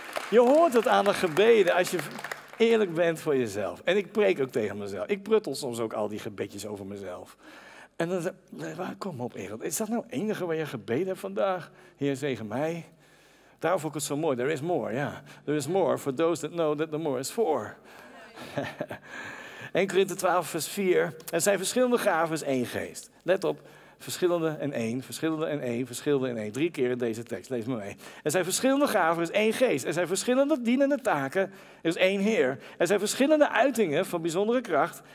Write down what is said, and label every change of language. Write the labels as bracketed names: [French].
[Dutch] Je hoort het aan de gebeden als je eerlijk bent voor jezelf. En ik preek ook tegen mezelf. Ik pruttel soms ook al die gebedjes over mezelf. En dan zei, kom op, Engel, is dat nou het enige wat je gebeden hebt vandaag? Heer, zegen mij. Daarom vond ik het zo mooi. [English] There is more, ja. Yeah. There is more for those that know that the more is for. [Dutch] 1 Korinthe 12, vers 4. Er zijn verschillende gaven, één geest. Let op, verschillende en één, verschillende en één, verschillende en één. 3 keer in deze tekst, lees maar mee. Er zijn verschillende gaven, één geest. Er zijn verschillende dienende taken, is één Heer. Er zijn verschillende uitingen van bijzondere kracht.